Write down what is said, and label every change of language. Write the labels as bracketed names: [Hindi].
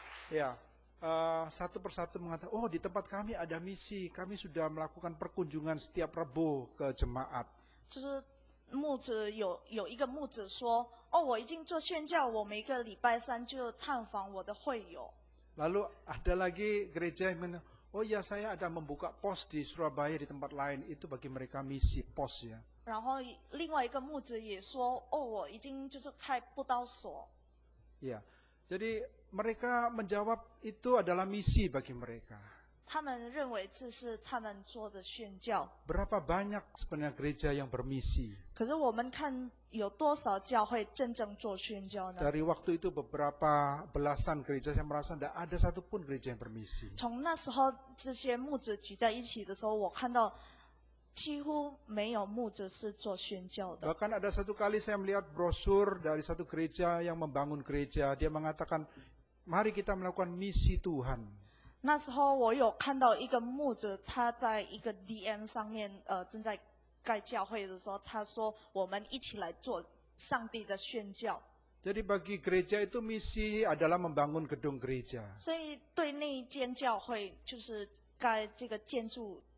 [Indonesian] Ya, satu persatu mengatakan, oh di tempat kami ada misi, kami sudah melakukan perkunjungan setiap Rabu ke jemaat. [Chinese] 就是牧者有一个牧者说，哦，我已经做宣教，我每个礼拜三就探访我的会友。 [Indonesian] Lalu ada lagi gereja yang mengatakan, oh ya saya ada membuka pos di Surabaya di tempat lain, itu bagi mereka misi pos ya. [Chinese] 然后另外一个牧者也说，哦，我已经就是开布道所。 [Indonesian] Ya, jadi mereka menjawab itu adalah misi bagi mereka. [Chinese] 他们认为这是他们做的宣教。 [Indonesian] Berapa banyak sebenarnya gereja yang bermisi? [Chinese] 可是我们看有多少教会真正做宣教呢？ [Indonesian] Dari waktu itu beberapa belasan gereja saya merasa tidak ada satu pun gereja yang bermisi. [Chinese] 从那时候这些牧者聚在一起的时候，我看到。几乎没有牧者是做宣教的。 [Indonesian] Bahkan ada satu kali saya melihat brosur dari satu gereja yang membangun gereja, dia mengatakan, mari kita melakukan misi Tuhan. [Chinese] 那时候我有看到一个牧者，他在一个 DM 上面，正在盖教会的时候，他说，我们一起来做上帝的宣教。 [Indonesian] Jadi bagi gereja itu misi adalah membangun gedung gereja. [Chinese] 所以对那间教会就是盖这个建筑。